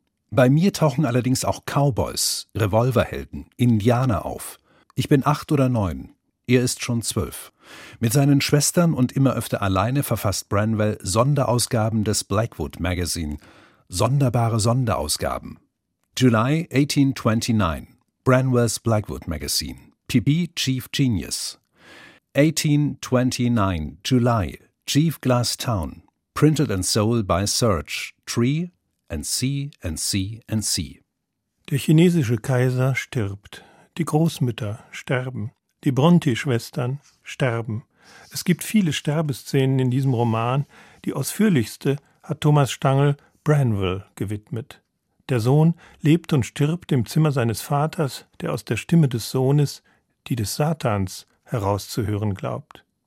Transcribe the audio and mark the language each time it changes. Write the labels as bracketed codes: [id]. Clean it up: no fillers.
[de] Bei mir tauchen allerdings auch Cowboys, Revolverhelden, Indianer auf. Ich bin 8 oder 9, er ist schon 12. Mit seinen Schwestern und immer öfter alleine verfasst Branwell Sonderausgaben des Blackwood Magazine. Sonderbare Sonderausgaben. [en] July 1829, Branwell's Blackwood Magazine, PB Chief Genius. 1829, July, Chief Glass Town, printed and sold by Search, Tree, and C, and C, and C. [de] Der chinesische Kaiser stirbt. Die Großmütter sterben. Die Bronte-Schwestern sterben. Es gibt viele Sterbeszenen in diesem Roman. Die ausführlichste hat Thomas Stangl Branwell gewidmet. Der Sohn lebt und stirbt im Zimmer seines Vaters, der aus der Stimme des Sohnes, die des Satans, herauszuhören glaubt.